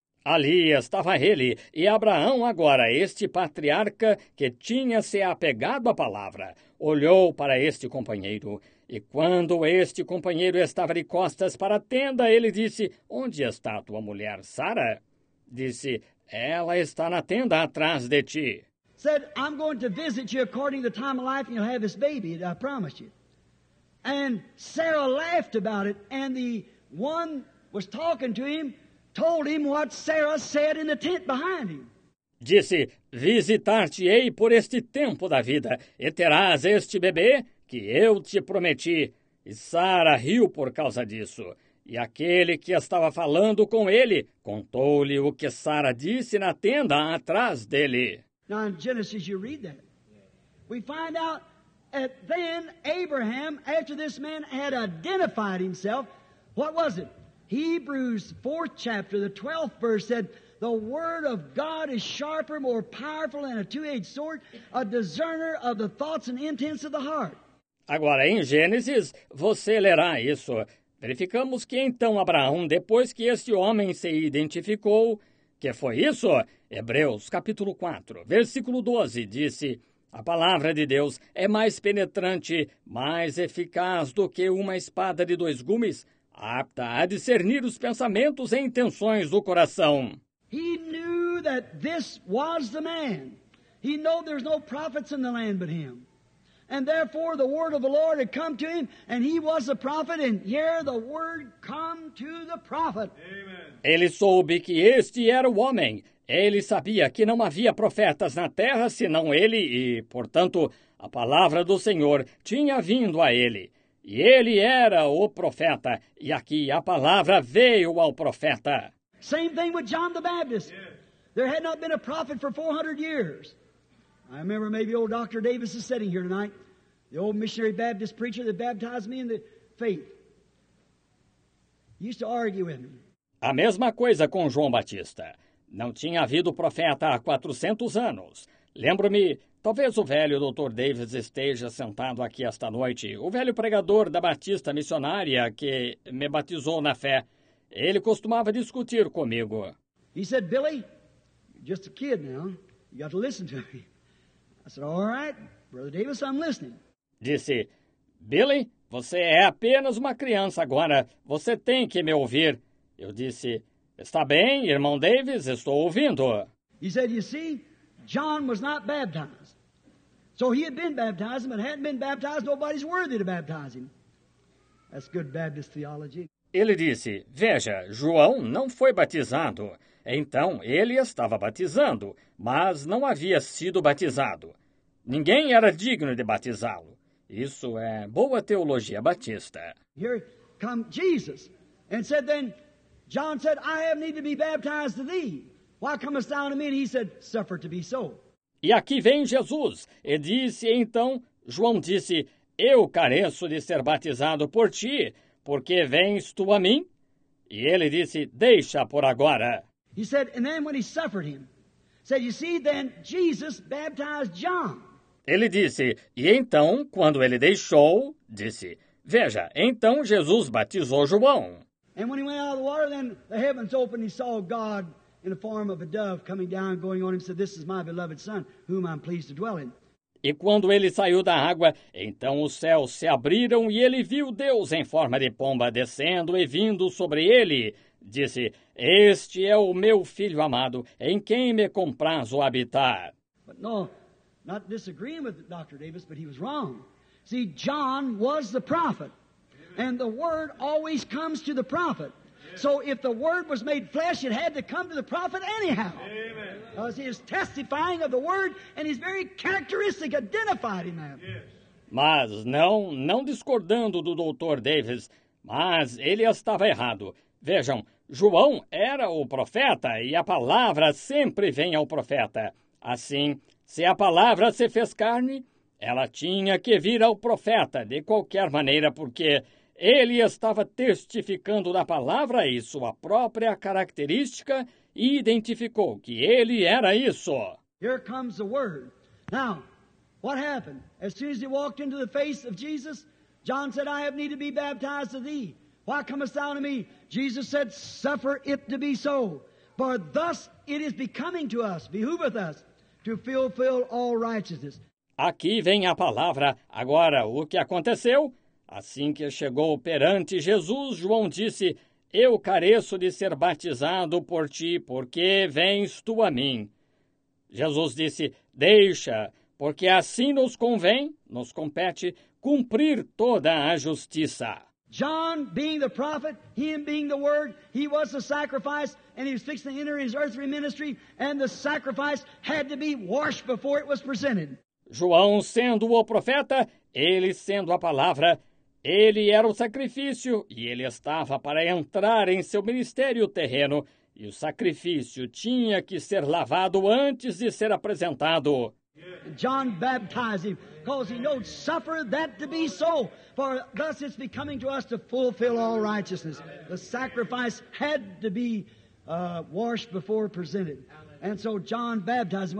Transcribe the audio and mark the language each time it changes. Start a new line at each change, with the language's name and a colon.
Portuguese: Ali estava ele, e Abraão agora, este patriarca que tinha se apegado à palavra, olhou para este companheiro. E quando este companheiro estava de costas para a tenda, ele disse, onde está tua mulher, Sara? Disse, ela está na tenda atrás de ti.
English: Said, I'm going to visit you according to the time of life and you'll have this baby, I promise you. And Sarah laughed about it, and the one was talking to him, told him what Sarah said in the tent behind him.
Portuguese: Disse, visitar-te-ei por este tempo da vida, e terás este bebê que eu te prometi. E Sara riu por causa disso. E aquele que estava falando com ele, contou-lhe o que Sara disse na tenda atrás dele.
English: Now in Genesis you read that. We find out that then Abraham, after this man had identified himself, what was it? Hebrews 4th chapter, the 12th verse said, the word of God is sharper, more powerful than a two-edged sword, a discerner of the thoughts and intents of the heart.
Portuguese: Agora, em Gênesis, você lerá isso. Verificamos que então Abraão, depois que este homem se identificou, que foi isso? Hebreus capítulo 4, versículo 12, disse, a palavra de Deus é mais penetrante, mais eficaz do que uma espada de dois gumes, apta a discernir os pensamentos e intenções do coração.
English: He knew that this was the man. He knew there's no prophets in the land but him. And therefore the word of the Lord had come to him, and he was a prophet, and here the word come to the prophet. Amen.
Portuguese: Ele soube que este era o homem. Ele sabia que não havia profetas na terra senão ele, e, portanto, a palavra do Senhor tinha vindo a ele. E ele era o profeta, e aqui a palavra veio ao profeta.
English: Same thing with John the Baptist. Yes. There had not been a prophet for 400 years. I remember maybe old Dr. Davis is sitting here tonight, the old missionary Baptist preacher that baptized me in the faith. He used to argue with me.
Portuguese: A mesma coisa com João Batista. Não tinha havido profeta há 400 anos. Lembro-me, talvez o velho Dr. Davis esteja sentado aqui esta noite, o velho pregador da Batista Missionária que me batizou na fé. Ele costumava discutir comigo.
English: He said, Billy, you're just a kid now. You got to listen to me. I said, all right, Brother Davis, I'm listening.
Portuguese: Disse, Billy, você é apenas uma criança agora. Você tem que me ouvir. Eu disse, está bem, irmão Davis, estou ouvindo.
English: He said, you see, John was not baptized. So he had been baptized, but hadn't been baptized, nobody's worthy to baptize him. That's good Baptist theology.
Portuguese: Ele disse, veja, João não foi batizado. Então ele estava batizando, mas não havia sido batizado. Ninguém era digno de batizá-lo. Isso é boa teologia batista.
English: Here come Jesus. And said then, John said, I have need to be baptized to thee. Why comest thou to me? And he said, suffer to be so.
Portuguese: E aqui vem Jesus. E disse então, João disse, eu careço de ser batizado por ti, porque vens tu a mim. E ele disse, deixa por agora.
English: He said, and then when he suffered him, said, you see, then Jesus baptized John.
Portuguese: Ele disse, e então, quando ele deixou, disse, Veja, então Jesus batizou João.
English: And when he went out of the water, then the heavens opened, he saw God in the form of a dove coming down, going on him, said, "This is my beloved son, whom I'm pleased to dwell in."
Portuguese: E quando ele saiu da água, então os céus se abriram e ele viu Deus em forma de pomba descendo e vindo sobre ele. Disse, "Este é o meu filho amado, em quem me compraz o habitar."
English: But no, not disagreeing with Dr. Davis, but he was wrong. See, John was the prophet, and the word always comes to the prophet. So if the word was made flesh, it had to come to the prophet anyhow. Amen. Because he is testifying of the word, and his very characteristic identified him. Yes.
Portuguese: Mas não discordando do Dr. Davis, mas ele estava errado. Vejam, João era o profeta, e a palavra sempre vem ao profeta. Assim, se a palavra se fez carne, ela tinha que vir ao profeta, de qualquer maneira, porque ele estava testificando da palavra e sua própria característica e identificou que ele era isso.
English: Here comes the word. Now, what happened? As soon as he walked into the face of Jesus, John said, "I have need to be baptized of thee. Why comest thou to me?" Jesus said, "Suffer it to be so. For thus it is becoming to us, behooveth us, to fulfill all righteousness."
Portuguese: Aqui vem a palavra. Agora, o que aconteceu? Assim que chegou perante Jesus, João disse, "Eu careço de ser batizado por ti, porque vens tu a mim." Jesus disse, "Deixa, porque assim nos compete, cumprir toda a justiça."
English: John, being the prophet, him being the word, he was the sacrifice, and he was fixing to enter his earthly ministry, and the sacrifice had to be washed before it was presented.
Portuguese: João sendo o profeta, ele sendo a palavra, ele era o sacrifício e ele estava para entrar em seu ministério terreno e o sacrifício tinha que ser lavado antes de ser apresentado.
English: John baptized him, because he knows suffer that to be so, for thus it's becoming to us to fulfill all righteousness. The sacrifice had to be washed before presented. And so John baptized him.